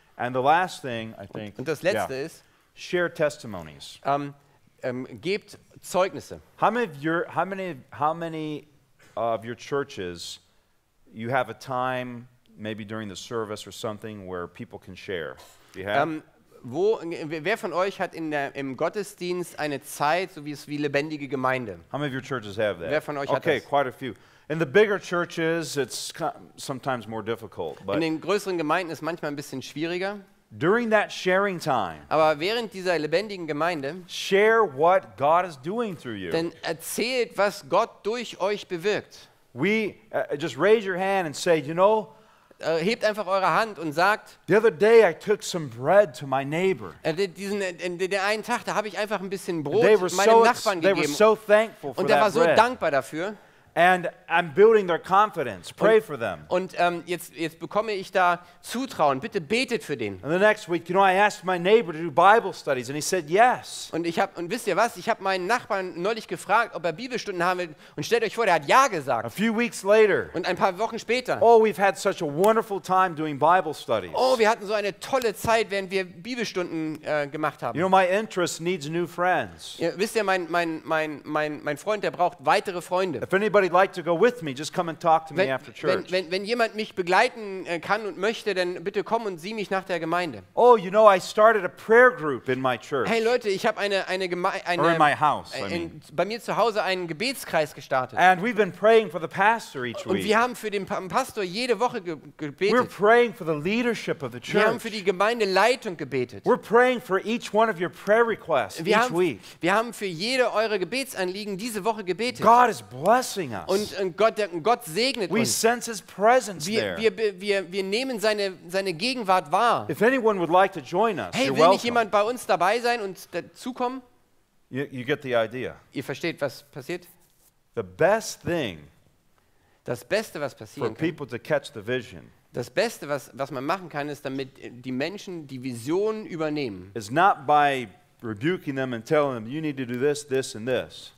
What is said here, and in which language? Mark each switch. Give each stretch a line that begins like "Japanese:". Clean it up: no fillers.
English: And the last thing, I think,
German: und das letzte yeah, ist,
English: share testimonies.
German: Gebt Zeugnisse.
English: How many of your churches you have a time maybe during the service or something where people can share.
German: Wer von euch hat im Gottesdienst eine Zeit, so wie es wie lebendige Gemeinde?
English: How many of your churches have that?
German: Wer von euch
English: okay,
German: hat
English: quite a few. In the bigger churches, it's sometimes more difficult. But
German: in den größeren Gemeinden ist manchmal ein bisschen schwieriger.
English: During that sharing time,
German: aber während dieser lebendigen Gemeinde,
English: share what God is doing through you.
German: Denn erzählt, was Gott durch euch bewirkt.
English: We just raise your hand and say, you know,
German: hebt einfach eure Hand und sagt,
English: the other day I took some bread to my neighbor.
German: Den einen Tag, da habe ich einfach ein bisschen Brot meinem Nachbarn gegeben.
English: They were so thankful for
German: und er war so dankbar dafür.
English: And I'm building their confidence. Pray for them.
German: Und jetzt bekomme ich da Zutrauen. Bitte betet für den.
English: And the next week, you know, I asked my neighbor to do Bible studies, and he said yes.
German: Und wisst ihr was? Ich habe meinen Nachbarn neulich gefragt, ob er Bibelstunden haben will. Und stellt euch vor, der hat ja gesagt.
English: A few weeks later.
German: Und ein paar Wochen später.
English: Oh, we've had such a wonderful time doing Bible studies.
German: Oh, wir hatten so eine tolle Zeit, während wir Bibelstunden gemacht haben.
English: You know, my interest needs new friends.
German: Wisst ihr, mein Freund, der braucht weitere Freunde.
English: Anybody like to go with me, just come and talk to me after church.
German: Wenn jemand mich begleiten kann und möchte, dann bitte komm und sieh mich nach der Gemeinde.
English: Oh, you know, I started a prayer group in my church.
German: Hey Leute, ich habe eine
English: or in my house,
German: bei mir zu Hause einen Gebetskreis gestartet.
English: And we've been praying for the pastor each week.
German: Und wir haben für den Pastor jede Woche gebetet.
English: We're praying for the leadership of the church.
German: Wir haben für die Gemeindeleitung gebetet.
English: We're praying for each one of your prayer requests
German: wir
English: each week.
German: Wir haben für jede eure Gebetsanliegen diese Woche gebetet.
English: God is blessed.
German: Und Gott segnet
English: we
German: uns.
English: Sense his presence
German: wir nehmen seine Gegenwart wahr.
English: If anyone would like to join us,
German: hey, will
English: welcome.
German: Nicht jemand bei uns dabei sein und dazukommen?
English: You get the idea.
German: Ihr versteht, was passiert?
English: The best thing
German: das Beste, was passieren
English: for people
German: kann,
English: to catch the vision,
German: das Beste, was man machen kann, ist, damit die Menschen die Vision übernehmen.
English: Is not by rebuking them and telling them you need to do this, this and this.